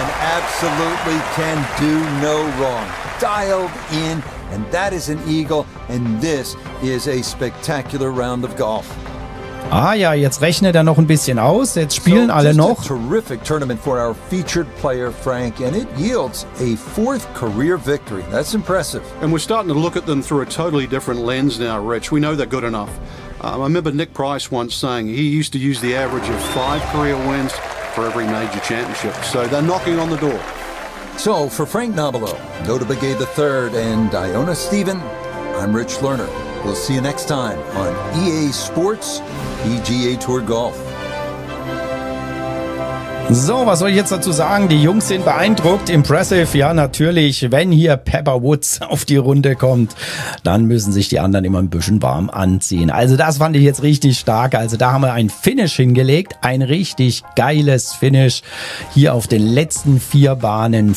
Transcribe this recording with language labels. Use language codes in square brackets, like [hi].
[en] absolutely can do no wrong. Dialed in, and that is an eagle, and this is a spectacular round of golf. [de] Ah ja, jetzt rechnet er noch ein bisschen aus. Jetzt spielen alle noch. [en] A terrific tournament for our featured player Frank, and it yields a fourth career victory. That's impressive. And we're starting to look at them through a totally different lens now, Rich. We know they're good enough. I remember Nick Price once saying he used to use the average of 5 career wins for every major championship. So they're knocking on the door. So for Frank Nabilo, Nota Begay III, and Diona Stephen, I'm Rich Lerner. We'll see you next time on EA Sports PGA Tour Golf. [de] So, was soll ich jetzt dazu sagen? Die Jungs sind beeindruckt, impressive. Ja, natürlich, wenn hier Pepper Woods auf die Runde kommt, dann müssen sich die anderen immer ein bisschen warm anziehen. Also das fand ich jetzt richtig stark. Also da haben wir ein Finish hingelegt, ein richtig geiles Finish hier auf den letzten 4 Bahnen.